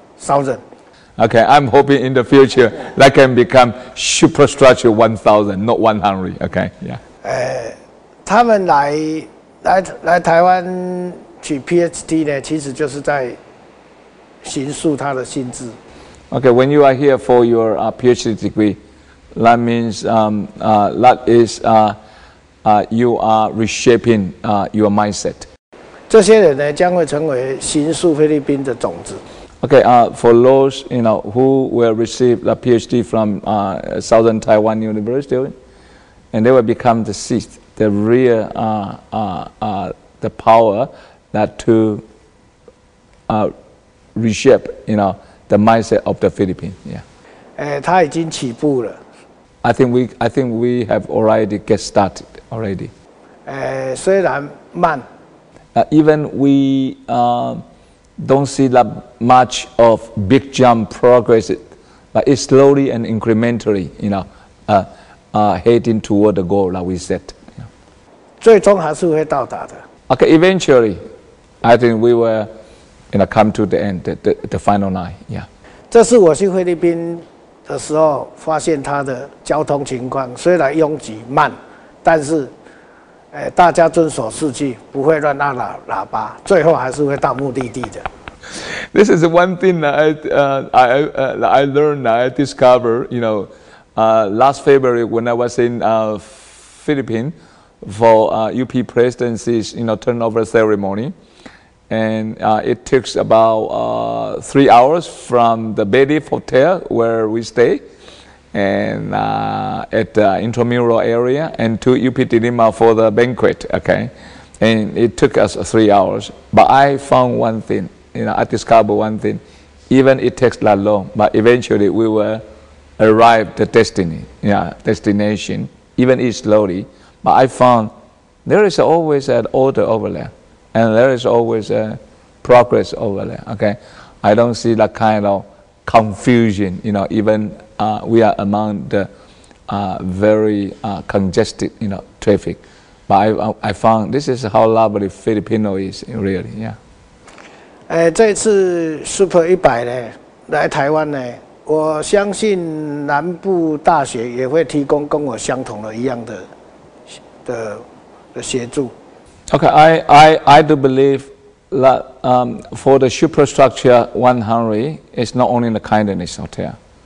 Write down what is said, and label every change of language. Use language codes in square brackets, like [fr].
[en] Okay, I'm hoping in the future that can become superstructure 1000, not 100. Okay, yeah. [zh] 他们来台湾取 PhD 呢，其实就是在形塑他的心智。 [en] Okay, when you are here for your PhD degree, that means that is you are reshaping your mindset. [zh] 这些人呢，将会成为形塑菲律宾的种子。 [en] Okay, for those you know who will receive a PhD from Southern Taiwan University, and they will become the seed, the real the power that to reshape you know the mindset of the Philippines. Yeah. [zh] 他已经起步了. [en] I think we have already get started already. [zh] 虽然慢. [en] Even we. Don't see that much of big jump progress, but it's slowly and incrementally, you know, heading toward the goal that we set. Yeah. [zh] 最终还是会到达的. [en] Okay, eventually, I think we will, you know, come to the end, the final line. Yeah. [zh] 这是我去菲律宾的时候发现它的交通情况，虽然拥挤慢，但是。大家遵守秩序，不会乱按喇叭，最后还是会到目的地的。 [en] This is one thing that I learned, that I discovered, you know, last February when I was in Philippines for UP presidency's, you know, turnover ceremony, and it takes about 3 hours from the Bedif Hotel where we stay. And at intramural area, and to UPTV for the banquet, okay? And it took us 3 hours. But I found one thing, you know, I discovered one thing. Even it takes that long, but eventually we will arrive the destiny, yeah, destination, even if slowly. But I found there is always an order over there, and there is always a progress over there, okay? I don't see that kind of confusion, you know, even we are among the very congested, you know, traffic. But I found this is how lovely Filipino is, really, yeah. [zh] 这一次Super100呢，来台湾呢，我相信南部大学也会提供跟我相同的一样的协助。 [en] Okay, I do believe that for the superstructure 100, it's not only the kindness hotel.